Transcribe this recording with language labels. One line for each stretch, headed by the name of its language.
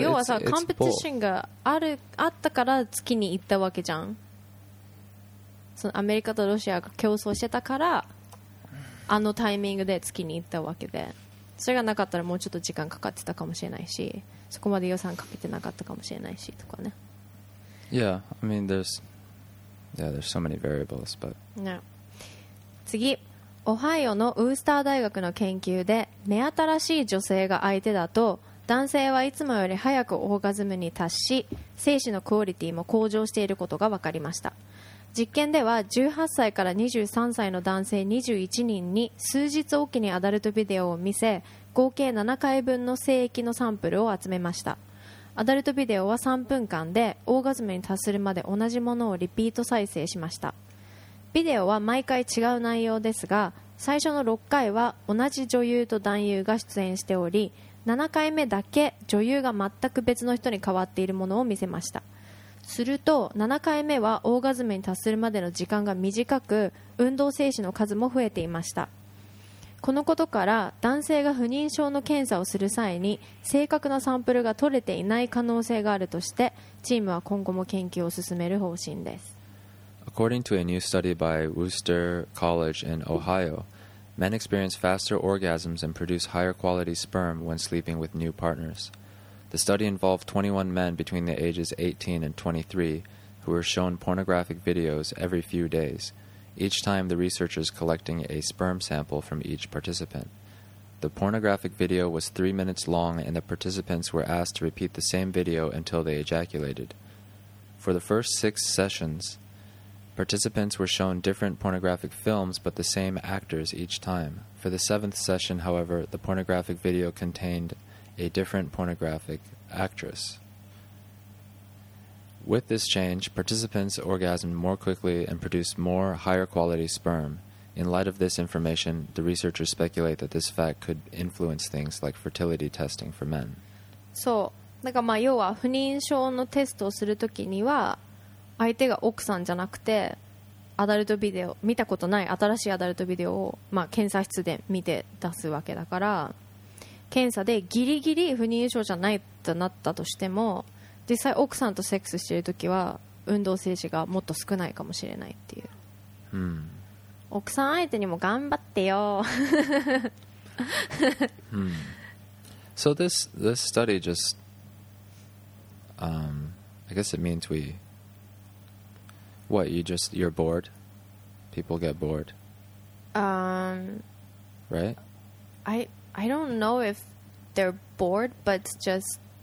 Japanese: 要はさ、コンペティションがあったから月に行ったわけじゃん。そのアメリカとロシアが競争してたから、あのタイミングで月に行ったわけで。それがなかったらもうちょっと時間かかってたかもしれないし、そこまで予算かけてなかったかもしれないしとかね。
English: Yeah, I mean, there's so many variables, but... No.
Japanese: 次、オハイオのウースター大学の研究で、目新しい女性が相手だと、男性はいつもより早くオーガズムに達し、精子のクオリティも向上していることが分かりました。実験では、18歳から23歳の男性21人に数日おきにアダルトビデオを見せ、合計7回分の精液のサンプルを集めました。アダルトビデオは3分間でオーガズムに達するまで同じものをリピート再生しました。ビデオは毎回違う内容ですが、最初の6回は同じ女優と男優が出演しており、7回目だけ女優が全く別の人に変わっているものを見せました。すると7回目はオーガズムに達するまでの時間が短く、運動精子の数も増えていました。このことから男性が不妊症の検査をする際に正確なサンプルが取れていない可能性があるとして、チームは今後も研究を進める方針です。
English: According to a new study by Worcester College in Ohio, men experience faster orgasms and produce higher quality sperm when sleeping with new partners. The study involved 21 men between the ages 18 and 23 who were shown pornographic videos every few days, each time the researchers collecting a sperm sample from each participant. The pornographic video was 3 minutes long, and the participants were asked to repeat the same video until they ejaculated. For the first 6 sessions, Participants were shown different pornographic films, but the same actors each time. For the seventh session, however, the pornographic video contained a different pornographic actress. With this change, participants orgasmed more quickly and produced more higher quality sperm. In light of this information, the researchers speculate that this fact could influence things like fertility testing for men.
Japanese: So, だからまあ要は不妊症のテストをするときには相手が奥さんじゃなくてアダルトビデオ見たことない新しいアダルトビデオをまあ検査室で見て出すわけだから検査でギリギリ不妊症じゃないとなったとしても実際奥さんとセックスしているときは運動精子がもっと少ないかもしれないっていう、うん、奥さん相手にも頑張ってよ。
English: うん、So this study just I guess it means we what you just you're bored. People get bored. Right? I don't know if they're bored, but just